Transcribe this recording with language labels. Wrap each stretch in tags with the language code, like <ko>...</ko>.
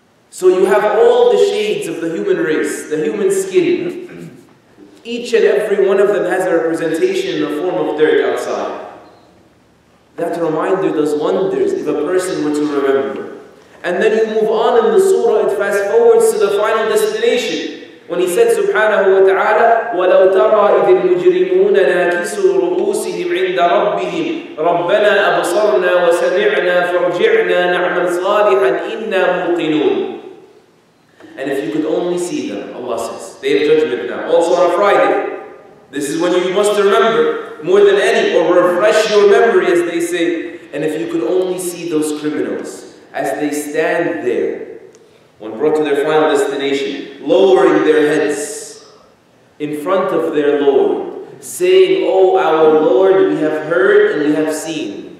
<en>So you have all the shades of the human race, the human skin. Each and every one of them has a representation in the form of dirt outside. That reminder does wonders if a person were to remember. And then you move on in the surah, it fast forwards to the final destination. When he said, subhanahu wa ta'ala,</en> <ar>وَلَوْ تَرَى إِذِ الْمُجْرِمُونَ نَاكِسُوا رُؤُوسِهِمْ عِنْدَ رَبِّهِمْ رَبَّنَا أَبْصَرْنَا وَسَمِعْنَا فَرْجِعْنَا نَعْمَلْ صَالِحًا إِنَّا مُوقِنُونَ.</ar> <en>And if you could only see them, Allah says, day of judgment now, also on a Friday. This is when you must remember more than any, or refresh your memory, as they say. And if you could only see those criminals as they stand there, when brought to their final destination, lowering their heads in front of their Lord, saying, oh, our Lord, we have heard and we have seen.</en>